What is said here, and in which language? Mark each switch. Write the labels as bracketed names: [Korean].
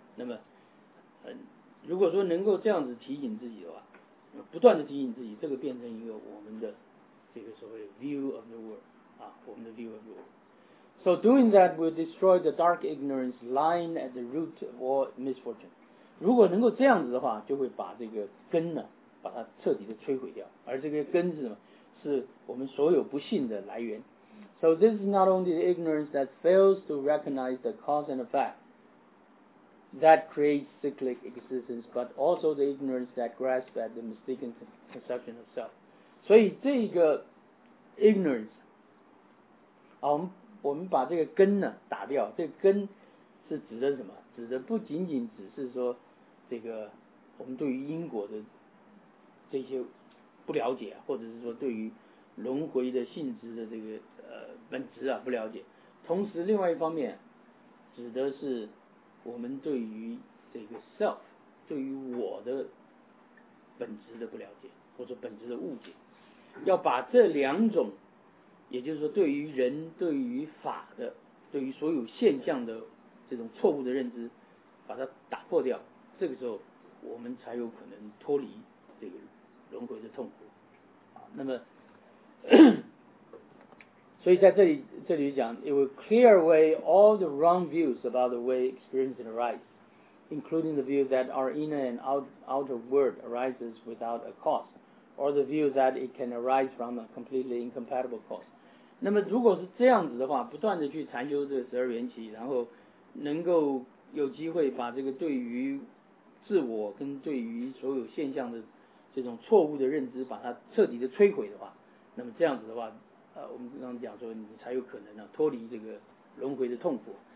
[Chinese] 那么，如果说能够这样子提醒自己的话，不断的提醒自己，这个变成一个我们的这个所谓 [English] view of the world [Chinese] 啊，我们的 view of the world。 [English] So doing that will destroy the dark ignorance lying at the root of all misfortune。 [Chinese] 如果能够这样子的话，就会把这个根呢，把它彻底的摧毁掉。而这个根是什么？是我们所有不幸的来源。 [English] So this is not only the ignorance that fails to recognize the cause and effect that creates cyclic existence, but also the ignorance that grasps at the mistaken conception of self. [Chinese] 所以这个 ignorance 啊，我们把这个根呢打掉，这个根是指的什么？指的不仅仅只是说这个我们对于因果的这些不了解，或者是说对于轮回的性质的这个本质啊不了解，同时另外一方面指的是我们对于这个 self 对于我的本质的不了解，或者本质的误解。要把这两种，也就是说对于人对于法的对于所有现象的这种错误的认知把它打破掉，这个时候我们才有可能脱离这个轮回的痛苦。那么所以在这里讲 [English] It will clear away all the wrong views about the way experience arises, including the view that our inner and outer world arises without a cause, or the view that it can arise from a completely incompatible cause. [Chinese] 那么如果是这样子的话，不断的去禅修这个十二缘起，然后能够有机会把这个对于自我跟对于所有现象的这种错误的认知把它彻底的摧毁的话，那么这样子的话，我们刚刚讲说你才有可能呢脱离这个轮回的痛苦。